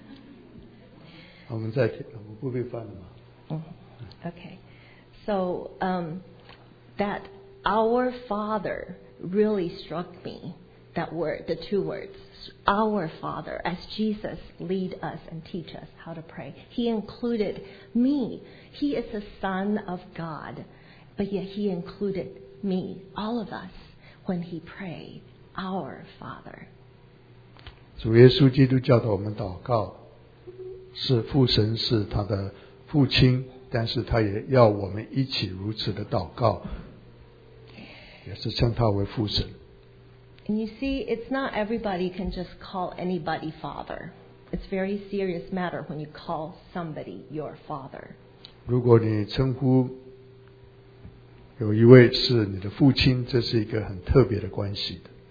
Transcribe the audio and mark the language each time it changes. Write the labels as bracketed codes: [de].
[zh] 进刚刚就是把马太福音六章第九节到第十二节上，是全部都念完了。我们在，我们不必翻了吗？ [en] Okay, so that our Father really struck me. That word, the two words, our Father, as Jesus lead us and teach us how to pray. He included me. He is the Son of God, but yet He included me, all of us, when He prayed, our Father. [zh] 主耶稣基督教导我们祷告，是父神是他的父亲，但是他也要我们一起如此的祷告，也是称他为父神。 [en] And you see, it's not everybody can just call anybody father. It's a very serious matter when you call somebody your father. [zh] 如果你称呼有一位是你的父亲, 这是一个很特别的关系的。